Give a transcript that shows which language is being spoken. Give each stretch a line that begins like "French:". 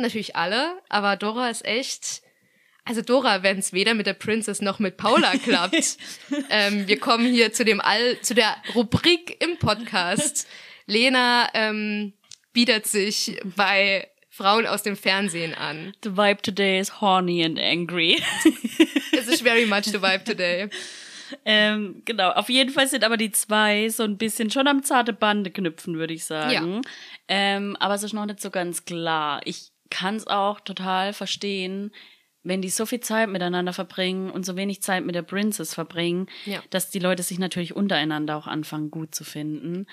German: Natürlich alle, aber Dora ist echt... Also Dora, wenn es weder mit der Princess noch mit Paula klappt, wir kommen hier zu dem zu der Rubrik im Podcast. Lena biedert sich bei Frauen aus dem Fernsehen an.
English: The vibe today is horny and angry. It is very much the vibe today.
German: Genau, auf jeden Fall sind aber die zwei so ein bisschen schon am zarte Bande knüpfen, würde ich sagen. Ja. Aber es ist noch nicht so ganz klar. Ich kann es auch total verstehen, wenn die so viel Zeit miteinander verbringen und so wenig Zeit mit der Princess verbringen, ja, dass die Leute sich natürlich untereinander auch anfangen, gut zu finden.